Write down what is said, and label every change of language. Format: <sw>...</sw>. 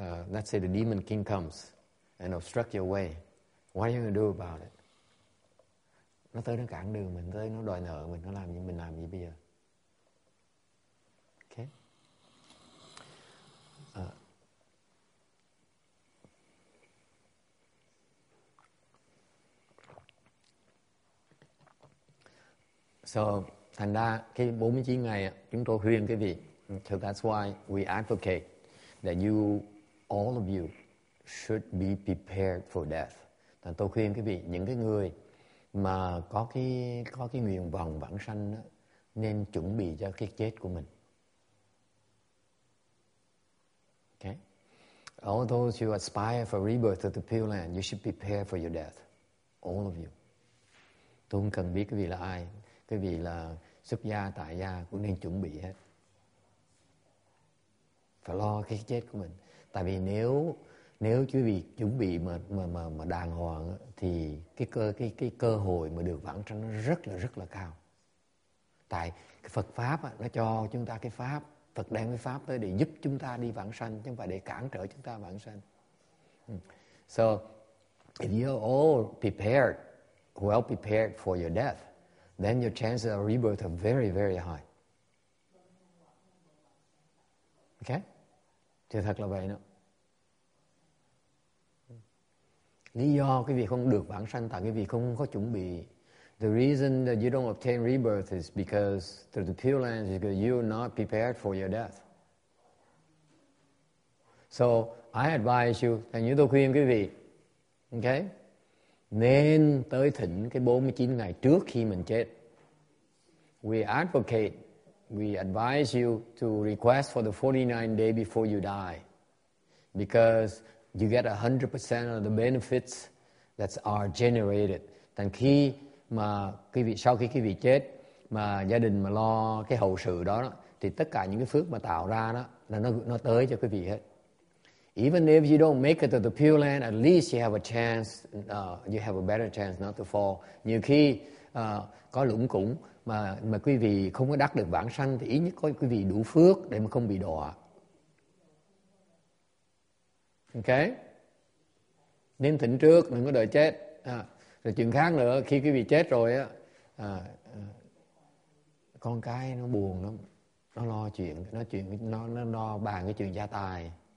<en>Let's say the demon king comes and obstruct your way. What are you going to do about it?</en> <vi>Nó tới nó cản đường mình, tới nó đòi nợ mình, nó làm gì mình làm gì bây giờ?</vi> <en>Okay.</en> <vi>So, thành ra cái 49 ngày chúng tôi khuyên cái gì?</vi> <en>So that's why we advocate that you, all of you, should be prepared for death.</en> <vi>Thành tôi khuyên cái gì? Những cái người mà có cái nguyện vọng vãng sanh đó, nên chuẩn bị cho cái chết của mình.</vi> <en>Okay? All those who aspire for rebirth of the Pure Land, you should prepare for your death. All of you.</en> <vi>Tôi không cần biết cái gì là ai. Cái vì là xuất gia tại gia cũng nên chuẩn bị hết, phải lo cái chết của mình. Tại vì nếu quý vị chuẩn bị mà đàng hoàng thì cái cơ hội mà được vãng sanh nó rất là cao. Tại cái Phật pháp nó cho chúng ta cái pháp, Phật đem cái pháp tới để giúp chúng ta đi vãng sanh chứ không phải để cản trở chúng ta vãng sanh.</vi> <en>So if you're all prepared, well prepared for your death, then your chances of rebirth are very, very high.</en> <vi>Okay? Thì thật là vậy đó. Lý do cái việc không được vãng sanh tại cái việc không có chuẩn bị.</vi> <en>The reason that you don't obtain rebirth is because through the Pure Land is because you're not prepared for your death. So I advise you,</en> <vi>thành như tôi khuyên quý vị, okay, nên tới thỉnh cái 49 ngày trước khi mình chết.</vi> <en>We advocate, we advise you to request for the 49 day before you die, because you get 100% of the benefits that are generated.</en> <vi>Thành khi mà quý vị, sau khi quý vị chết mà gia đình mà lo cái hậu sự đó, đó thì tất cả những cái phước mà tạo ra đó là nó tới cho quý vị hết.</vi> <en>Even if you don't make it to the Pure Land, at least you have a chance, you have a better chance not to fall.</en> <vi>Nhiều khi có lũng củng mà quý vị không có đắc được vãng sanh thì ít nhất có quý vị đủ phước để mà không bị đọa. Okay? Nên thỉnh trước, đừng có đợi chết. Rồi chuyện khác nữa, khi quý vị chết rồi á, con cái nó buồn lắm, nó lo chuyện, nó lo bàn cái chuyện gia tài.</vi>